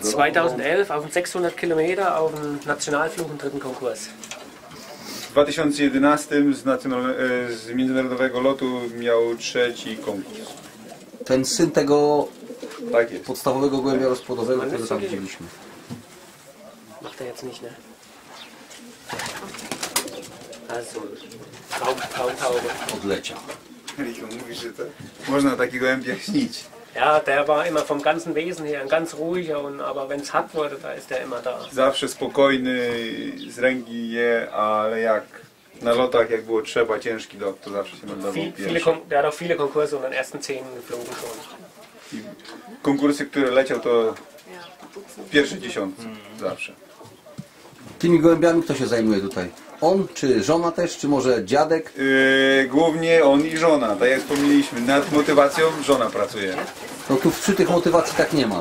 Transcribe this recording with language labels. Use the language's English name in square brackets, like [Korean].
[Polish] 2011 auf 600 km auf dem Nationalflug im dritten Konkurs. W 2011 z międzynarodowego lotu miał trzeci konkurs. Ten syn tego tak podstawowego gołębia rozpłodowego, który tam widzieliśmy. [German] Macht er jetzt nicht, ne? Also, Traumtaube. [Polish] Odleciał. Rico mówi, że to można o takich gołębiach śnić. [German] Ja, der war immer vom ganzen Wesen her ganz ruhig, aber wenn es hart wurde, da ist er immer da. [Polish] Zawsze spokojny, z ręki je, ale jak na lotach, jak było trzeba, ciężki lot, to zawsze się meldował pierwszy. [German] Er hat auch viele Konkurse und den ersten 10 geflogen schon. [Polish] I konkursy, które leciał, to pierwszy dziesiątek zawsze. Tymi gołębiami kto się zajmuje tutaj? On czy żona też, czy może dziadek? Głównie on i żona, tak jak wspomnieliśmy. Nad motywacją żona pracuje. No tu przy tych motywacji tak nie ma.